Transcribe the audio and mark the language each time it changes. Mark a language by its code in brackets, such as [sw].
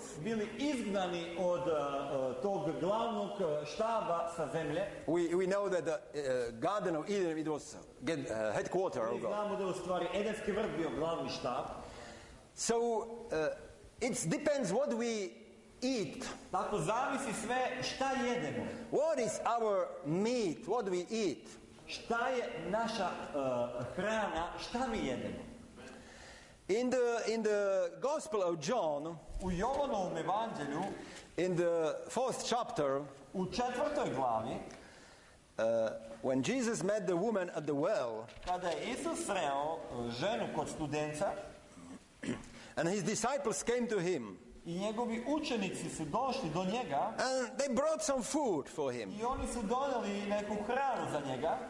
[sr] Oni su bili izgnani od tog glavnog štaba sa zemlje. [en] We know that the Garden of Eden, it was headquarter of God. [sr] Znamo da u stvari Edenski vrt bio glavni štab. [en] So it depends what we eat. [sr] Tako zavisi sve šta jedemo. [en] What is our meat? What do we eat? [sr] Šta je naša hrana, šta mi jedemo? [en] In the Gospel of John, [sr] u Jovanovom evanđelju, [en] in the fourth chapter, [sr] u četvrtoj glavi, [en] when Jesus met the woman at the well, [sr] kada je Isus sreo ženu kod studenca, [en] and his disciples came to him, [sr] i njegovi učenici su došli do njega, [en] and they brought some food for him. [sr] I oni su doneli neku hranu za njega.